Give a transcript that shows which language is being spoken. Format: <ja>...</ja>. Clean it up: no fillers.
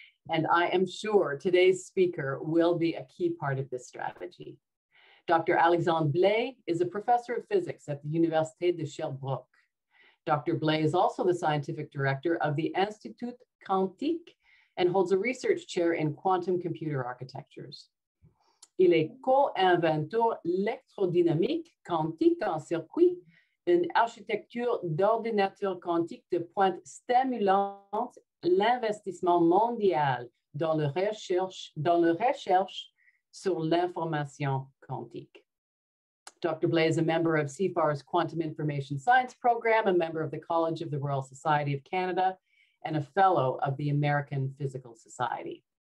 <en>And I am sure today's speaker will be a key part of this strategy. Dr. Alexandre Blais is a professor of physics at the Université de Sherbrooke. Dr. Blais is also the scientific director of the Institut Quantique and holds a research chair in quantum computer architectures.</en> <fr>Il est co-inventeur électrodynamique quantique en circuit, une architecture d'ordinateur quantique de pointe stimulant l'investissement mondial dans la recherche sur l'information quantique.</fr> <en>Dr. Blais is a member of CIFAR's Quantum Information Science Program, a member of the College of the Royal Society of Canada, and a fellow of the American Physical Society.</en>